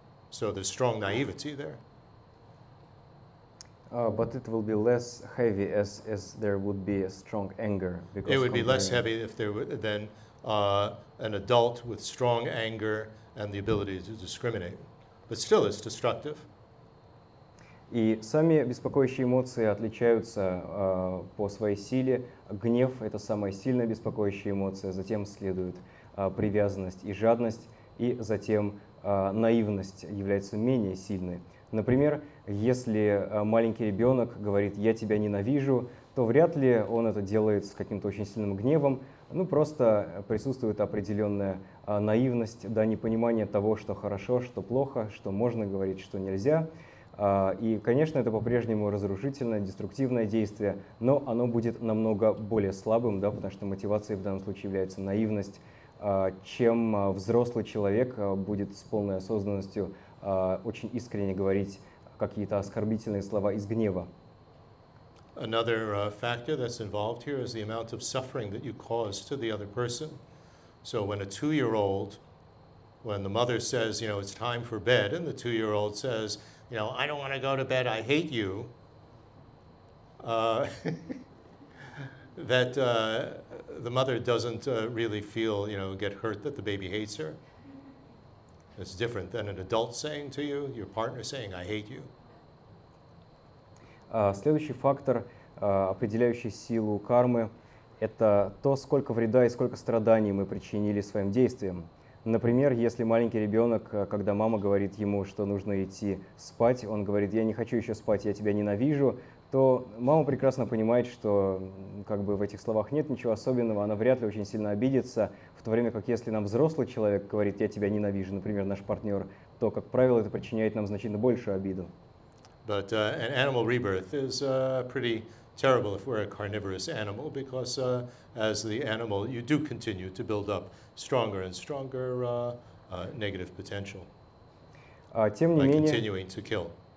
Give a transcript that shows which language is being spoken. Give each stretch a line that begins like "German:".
English: So there's strong naivety there. But it will be less heavy as there would be a strong anger. Because it would be less heavy if there were than an adult with strong anger and the ability to discriminate. But still, it's destructive.
Russian: И сами беспокоящие эмоции отличаются по своей силе. Гнев — это самая сильная беспокоящая эмоция. Затем следует привязанность и жадность. И затем наивность является менее сильной. Например, если маленький ребенок говорит «я тебя ненавижу», то вряд ли он это делает с каким-то очень сильным гневом. Ну, просто присутствует определенная наивность, да, непонимание того, что хорошо, что плохо, что можно говорить, что нельзя. И, конечно, это по-прежнему разрушительное, деструктивное действие, но оно будет намного более слабым, да, потому что мотивацией в данном случае является наивность. Чем взрослый человек будет с полной осознанностью очень искренне говорить какие-то оскорбительные слова из гнева.
English: Another factor that's involved here is the amount of suffering that you cause to the other person. So when a two-year-old, when the mother says, you know, it's time for bed, and the two-year-old says, you know, I don't want to go to bed, I hate you, that the mother doesn't really feel, you know, get hurt that the baby hates her. It's different than an adult saying to you, your partner saying, I hate you.
Russian: Следующий фактор, определяющий силу кармы, это то, сколько вреда и сколько страданий мы причинили своим действиям. Например, если маленький ребенок, когда мама говорит ему, что нужно идти спать, он говорит, я не хочу еще спать, я тебя ненавижу, то мама прекрасно понимает, что как бы в этих словах нет ничего особенного, она вряд ли очень сильно обидится, в то время как если нам взрослый человек говорит, я тебя ненавижу, например, наш партнер, то, как правило, это причиняет нам значительно большую обиду.
English: But an animal rebirth is pretty terrible if we're a carnivorous animal, because as the animal, you do continue to build up stronger and stronger negative potential. Continuing to kill.